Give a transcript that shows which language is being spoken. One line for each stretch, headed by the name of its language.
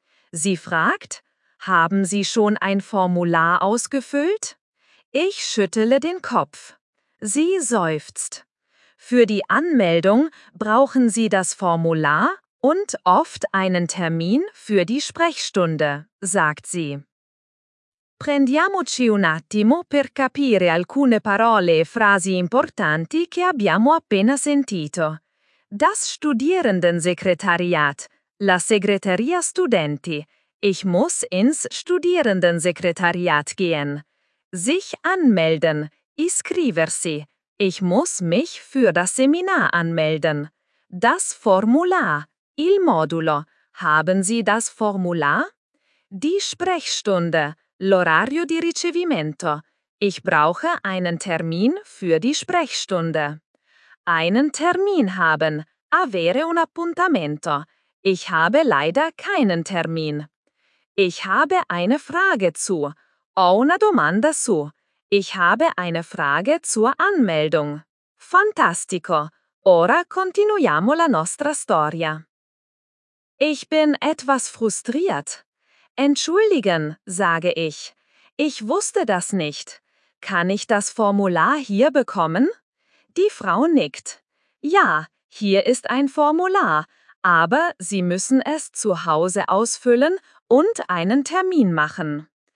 German: Sie fragt, Haben Sie schon ein Formular ausgefüllt? Ich schüttle den Kopf. Sie seufzt. Für die Anmeldung brauchen Sie das Formular? Und oft einen Termin für die Sprechstunde, sagt sie.
Italian: Prendiamoci un attimo per capire alcune parole e frasi importanti che abbiamo appena sentito.
German: Das Studierendensekretariat,
Italian: la Segreteria Studenti.
German: Ich muss ins Studierendensekretariat gehen. Sich anmelden,
Italian: iscriversi.
German: Ich muss mich für das Seminar anmelden. Das Formular.
Italian: Il modulo.
German: Haben Sie das Formular? Die Sprechstunde.
Italian: L'orario di ricevimento.
German: Ich brauche einen Termin für die Sprechstunde. Einen Termin haben.
Italian: Avere un appuntamento.
German: Ich habe leider keinen Termin. Ich habe eine Frage zu.
Italian: Ho una domanda su.
German: Ich habe eine Frage zur Anmeldung.
Italian: Fantastico. Ora continuiamo la nostra storia.
German: Ich bin etwas frustriert. Entschuldigen, sage ich. Ich wusste das nicht. Kann ich das Formular hier bekommen? Die Frau nickt. Ja, hier ist ein Formular, aber Sie müssen es zu Hause ausfüllen und einen Termin machen.